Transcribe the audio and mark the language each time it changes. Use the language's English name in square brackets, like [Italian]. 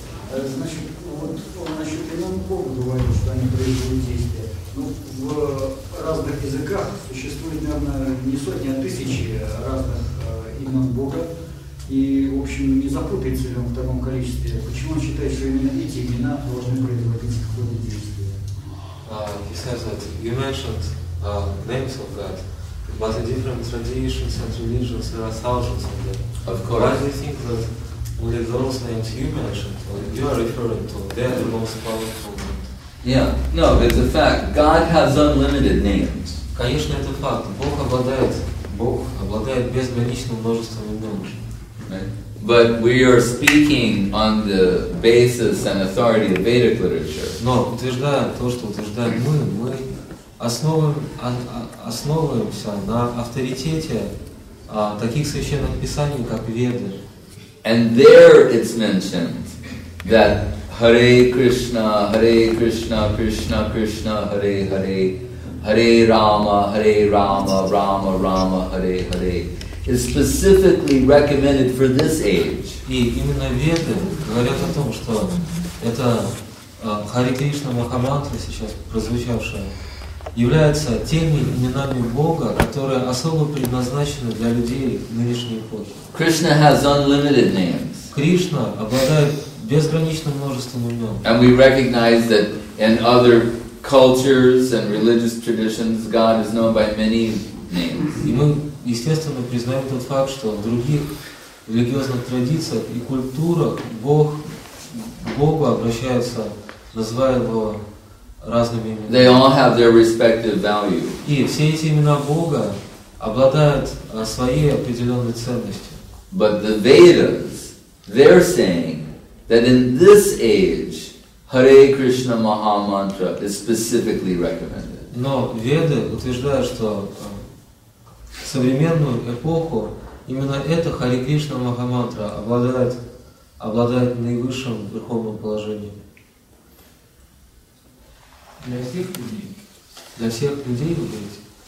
[Russian] Значит, вот насчет иномков говорю, что они производят действия. Ну, в разных языках существует, наверное, не сотни, а тысячи разных имен Бога. И, в общем, не запутается ли он в таком количестве. Почему он считает, что именно эти имена должны производить какое-то действие? [English] He says that you mentioned names of God, but the different traditions and religions, there are thousands of them. Of course. Why do you think that only those names you mentioned, or you are referring to, they are the most powerful ones? Yeah, no, it's a fact. God has unlimited names. [Russian] Конечно, это факт. Бог обладает безграничным множеством имен. [English] But we are speaking on the basis and authority of Vedic literature. [Russian] Но утверждаем то, что утверждаем мы основываемся на авторитете таких священных писаний, как Веды. [English] And there it's mentioned that Hare Krishna, Krishna Krishna, Hare Hare, Hare Rama, Rama Rama, Hare Hare. Is specifically recommended for this age. [Russian] И именно Веды говорят о том, что это Хари Кришна Махамантра, сейчас прозвучавшая, является теми именами Бога, которые особо предназначены для людей нынешней эпохи. [English] Krishna has unlimited names. [Russian] Кришна обладает безграничным множеством имен. [English] And we recognize that in other cultures and religious traditions, God is known by many names. [Russian] Естественно, признаем тот факт, что в других религиозных традициях и культурах Бог к Богу обращается, называя его разными именами. [English] They all have their respective value. [Russian] И все эти имена Бога обладают своей определенной ценностью. [English] But the Vedas, they're saying that in this age, Hare Krishna Maha Mantra is specifically recommended. [Russian] Но Веды утверждают, что в современную эпоху именно эта Хари Кришна Махамантра обладает наивысшим верховным положением. Для всех людей. Для всех людей, вы говорите?